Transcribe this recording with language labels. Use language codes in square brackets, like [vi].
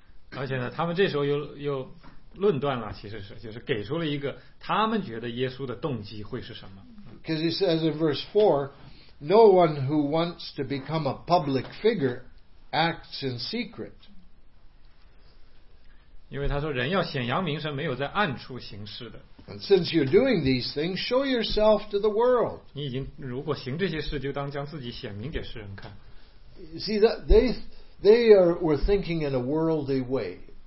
[zh] 而且呢，他们这时候又论断了，其实是就是给出了一个他们觉得耶稣的动机会是什么。 [en] Because he says in verse 4, no one who wants to become a public figure acts in secret. [zh] 因为他说人要显扬名声，没有在暗处行事的。 [en] And since you're doing these things, show yourself to the world. [zh] 你已经如果行这些事，就当将自己显明给世人看。 [en] You see that they were thinking in a worldly way.